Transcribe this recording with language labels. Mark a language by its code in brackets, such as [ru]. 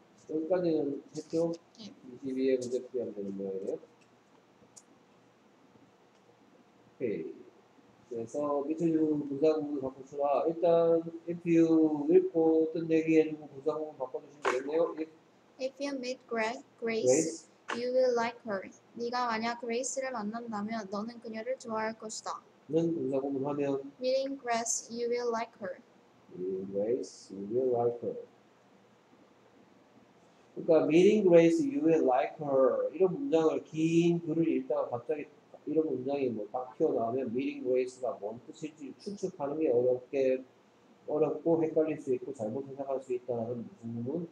[ko] 여기까지는 했죠? 네. 22의 문제 풀이 안 되는 모양이에요. 오케이. 그래서 밑에 있는 분사구문을 바꿔주라. 일단 if you 읽고 뜻내기해주고 분사구문 바꿔주시면 되겠네요. [en] If you meet Grace, you will like her. [ko] 네가 만약 Grace를 만난다면 너는 그녀를 좋아할 것이다. 는 분사구문 하면 [en] Meeting Grace, you will like her. Meeting Grace, you will like her. 그러니까 Meeting Grace, you will like her. [ko] 이런 문장을 긴 글을 읽다가 갑자기 이런 문장이 뭐 딱 튀어나오면 [en] meeting grace [ko] 가 뭔 뜻일지 추측하는 게 어렵고 헷갈릴 수 있고 잘못 해석할 수 있다는 무슨 부분?